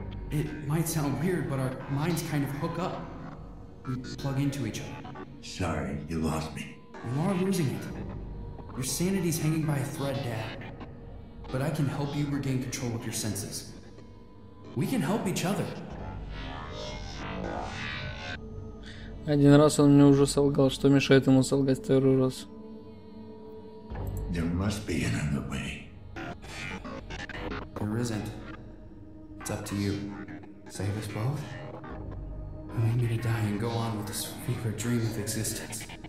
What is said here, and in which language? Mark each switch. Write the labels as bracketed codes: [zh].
[en] It might sound weird, but our minds kind of hook up. We plug into each other. Sorry, you lost me. You are losing it. Your sanity's hanging by a thread, Dad. But I can help you regain control of your senses. We can help each other. [ru] Один раз он мне уже солгал, что мешает ему солгать второй раз. [en] There must be another way. There isn't. It's up to you. Save us both. I need me to die and go on with this fever dream of existence.